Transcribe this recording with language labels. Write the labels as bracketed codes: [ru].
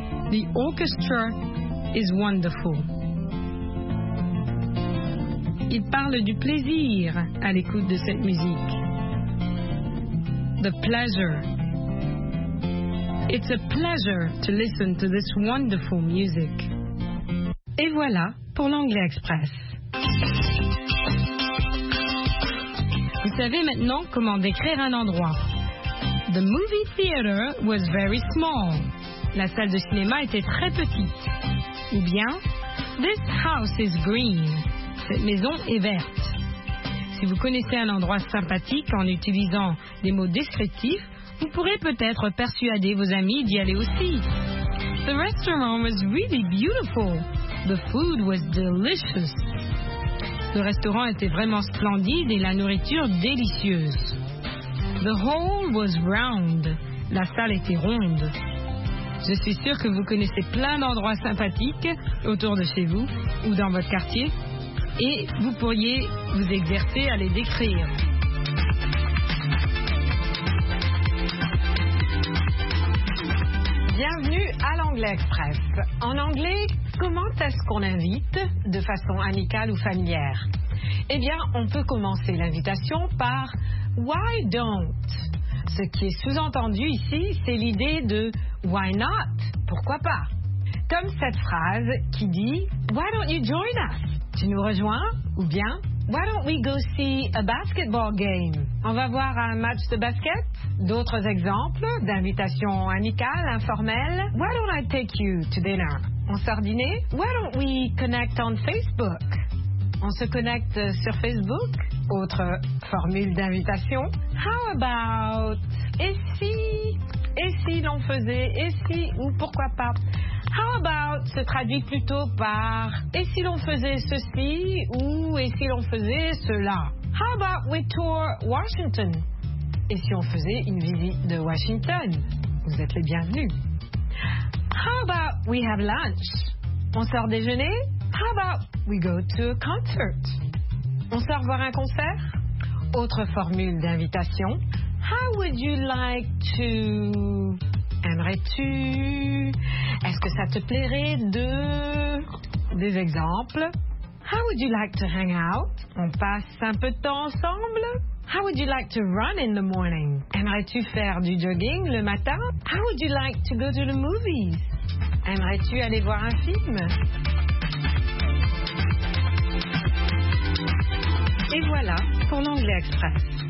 [en] The orchestra is wonderful. [fr] Il parle du plaisir à l'écoute de cette musique. [en] The pleasure. It's a pleasure to listen to this wonderful music. [fr] Et voilà pour l'Anglais Express. Vous savez maintenant comment décrire un endroit. [en] The movie theater was very small. [fr] La salle de cinéma était très petite. Ou bien, [en] this house is green. [fr] Cette maison est verte. Si vous connaissez un endroit sympathique en utilisant des mots descriptifs, vous pourrez peut-être persuader vos amis d'y aller aussi. [en] The restaurant was really beautiful. The food was delicious. [fr] Le restaurant était vraiment splendide et la nourriture délicieuse. [en] The hall was round. [fr] La salle était ronde. Je suis sûre que vous connaissez plein d'endroits sympathiques autour de chez vous ou dans votre quartier. Et vous pourriez vous exercer à les décrire. Bienvenue à l'Anglais Express. En anglais, comment est-ce qu'on invite de façon amicale ou familière? Eh bien, on peut commencer l'invitation par « [en] why don't ?» [fr] Ce qui est sous-entendu ici, c'est l'idée de « [en] why not [fr] ?» Pourquoi pas? Comme cette phrase qui dit « [en] why don't you join us ?» [fr] Tu nous rejoins? [en] Ou bien, why don't we go see a basketball game? [fr] On va voir un match de basket? D'autres exemples d'invitations amicales, informelles? [en] Why don't I take you to dinner? [fr] On sort dîner? [en] Why don't we connect on Facebook? [fr] On se connecte sur Facebook? Autre formule d'invitation? [en] How about, [fr] et si l'on faisait, et si, ou pourquoi pas? [en] How about [fr] se traduit plutôt par et si l'on faisait ceci ou et si l'on faisait cela? [en] How about we tour Washington? [fr] Et si on faisait une visite de Washington? Vous êtes les bienvenus. [en] How about we have lunch? [fr] On sort déjeuner? [en] How about we go to a concert? [fr] On sort voir un concert? Autre formule d'invitation. [en] How would you like to... [fr] Aimerais-tu? Est-ce que ça te plairait de... Des exemples. [en] How would you like to hang out? [fr] On passe un peu de temps ensemble. [en] How would you like to run in the morning? [fr] Aimerais-tu faire du jogging le matin? [en] How would you like to go to the movies? [fr] Aimerais-tu aller voir un film? Et voilà pour l'anglais express.